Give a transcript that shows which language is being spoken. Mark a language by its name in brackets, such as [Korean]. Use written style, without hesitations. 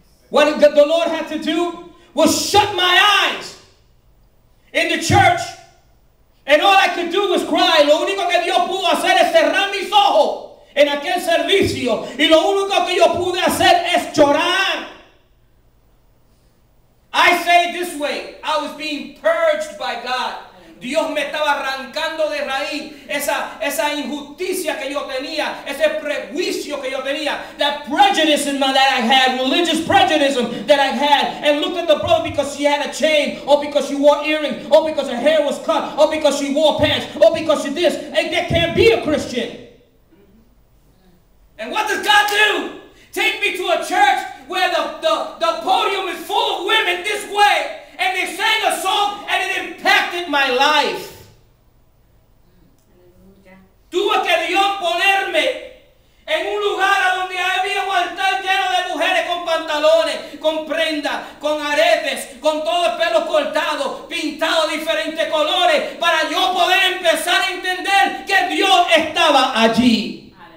[English] What the Lord had to do was shut my eyes in the church. And all I could do was cry. [Spanish] Lo único que Dios pudo hacer es cerrar mis ojos en aquel servicio. Y lo único que yo pude hacer es llorar. [English] I say it this way. I was being purged by God. [Spanish] Dios me estaba arrancando de raíz esa injusticia que yo tenía, [English] ese prejuicio que yo tenía, that prejudice that I had, religious prejudice that I had, and looked at the brother because she had a chain, or because she wore earrings, or because her hair was cut, or because she wore pants, or because she this, and that can't be a Christian. And what does God do? Take me to a church where the podium is full of women this way. And they sang a song and it impacted my life. [Spanish] Tuvo que Dios ponerme en un lugar donde había un altar lleno de mujeres con pantalones, con prendas, con aretes, con todo el pelo cortado, pintado diferentes colores, para yo poder empezar a entender que Dios estaba allí.